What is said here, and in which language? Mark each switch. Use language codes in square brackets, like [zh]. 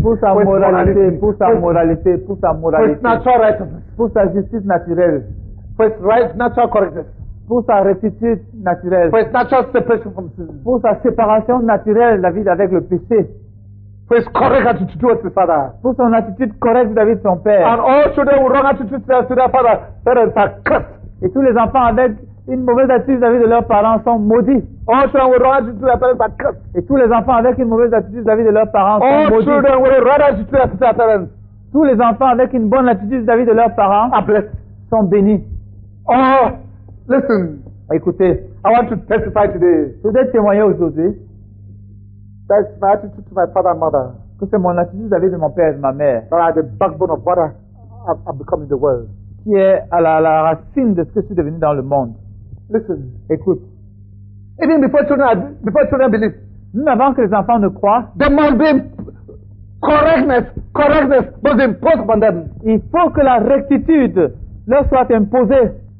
[fr] Pour sa moralité. Pour sa moralité. Pour sa moralité. [en] For his natural righteousness. [fr] Pour sa justice naturelle. [en] For his right natural correctness. [fr] Pour sa rectitude naturelle. [en] For his natural separation from sin. [fr] Pour sa séparation naturelle de la vie avec le péché. [en] For his correct attitude towards his father. [fr] Pour son attitude correcte vis-à-vis de son père. [en] And all children with wrong attitude towards their father. Parents are cursed. [fr] Et tous les enfants avec une mauvaise attitude vis-à-vis de leurs parents sont maudits. [en] All children with wrong attitude towards their parents are cursed. [fr] Et tous les enfants avec une mauvaise attitude vis-à-vis de leurs parents sont maudits. [en] All children with wrong attitude towards their parents. [fr] Tous les enfants avec une bonne attitude vis-à-vis de leurs parents [en] are blessed. [fr] Sont bénis. [en] Oh, listen. [fr] Écoutez. [en] I want to testify today. [fr] Je voudrais témoigner aujourd'hui. [en] That is my attitude to my father and mother. [fr] Que c'est mon attitude vis-à-vis de mon père et de ma mère. [en] That I am the backbone of what I have become in the world. [fr] Qui est à la racine de ce que je suis devenu dans le monde. [en] Listen. [fr] Écoute. [en] Even before children believe. [fr] Même avant que les enfants ne croient. [en] There must be correctness. Correctness must be imposed upon them. [fr] Il faut que la rectitude leur soit imposée.